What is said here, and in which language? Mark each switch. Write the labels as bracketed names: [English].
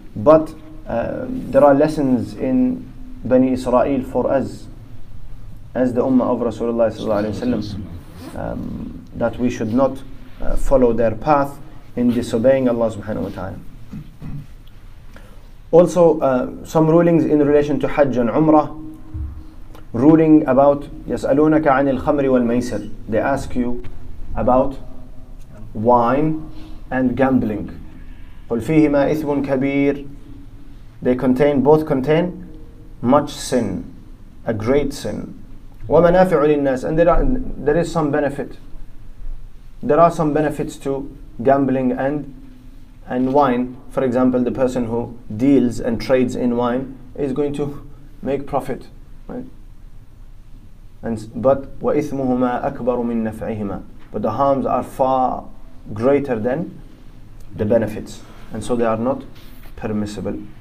[English] But there are lessons in Bani Israel for us, as the Ummah of Rasulullah sallallahu alayhi wa sallam, that we should not follow their path in disobeying Allah subhanahu wa ta'ala. Also, some rulings in relation to Hajj and Umrah. Ruling about [Arabic] يَسْأَلُونَكَ عَنِ الْخَمْرِ وَالْمَيْسَرِ. [English] They ask you about wine and gambling. [Arabic] قُلْ فِيهِمَا إِثْمٌ كَبِيرٌ. [English] They contain, both contain much sin, a great sin. [Arabic] وَمَنَافِعُ لِلنَّاسِ. [English] And there is some benefit. There are some benefits to gambling and wine. For example, the person who deals and trades in wine is going to make profit, right? And but [Arabic] وَإِثْمُهُمَا أَكْبَرُ مِن نَفْعِهِمَا. [English] But the harms are far greater than the benefits, and so they are not permissible.